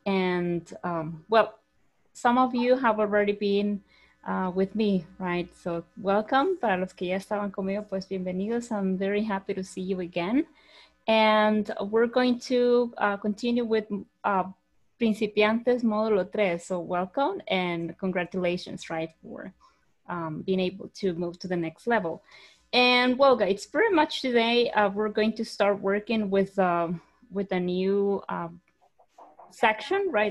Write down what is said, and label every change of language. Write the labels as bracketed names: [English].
[English] And well, some of you have already been with me, right? So welcome. [Spanish] Para los que ya estaban conmigo, pues bienvenidos. [English] I'm very happy to see you again. And we're going to continue with Principiantes Módulo 3, so welcome and congratulations, right, for being able to move to the next level. And well, guys, pretty much today we're going to start working with a new section, right?